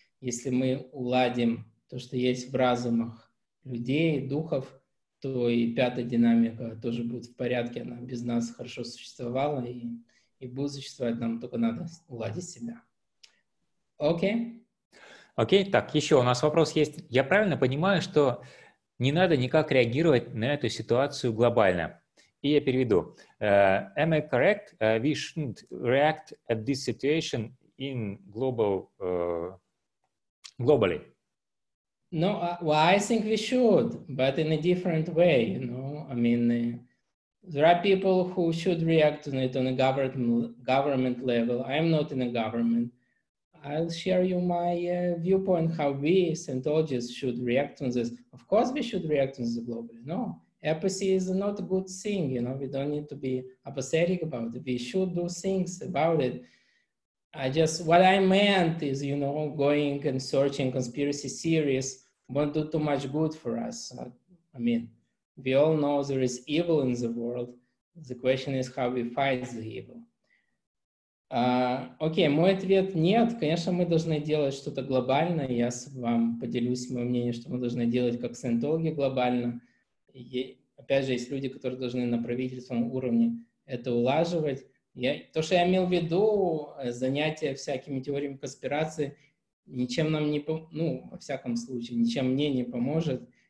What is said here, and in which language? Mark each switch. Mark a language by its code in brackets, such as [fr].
[ru] Если мы уладим то, что есть в разумах людей, духов, то и пятая динамика тоже будет в порядке, она без нас хорошо существовала и будет существовать, нам только надо уладить себя. Окей. Окей, так, еще у нас вопрос есть. Я правильно понимаю, что не надо никак реагировать на эту ситуацию глобально? И я переведу. [en] Am I correct? We shouldn't react at this situation in global, globally. No, well, I think we should, but in a different way, you know. I mean, there are people who should react on it on a government level. I'm not in a government. I'll share you my viewpoint how we Scientologists should react on this. Of course, we should react on this globally. No, apathy is not a good thing, you know, we don't need to be apathetic about it. We should do things about it. I just, what I meant is, you know, going and searching conspiracy theories won't do too much good for us. I mean, we all know there is evil in the world. The question is how we fight the evil. [ru] Окей, мой ответ – нет. Конечно, мы должны делать что-то глобальное. Я с вам поделюсь моим мнением, что мы должны делать как саентологи глобально. И, опять же, есть люди, которые должны на правительственном уровне это улаживать. То, что я имел в виду, занятия всякими теориями конспирации, ничем нам не поможет, ну, во всяком случае, ничем мне не поможет.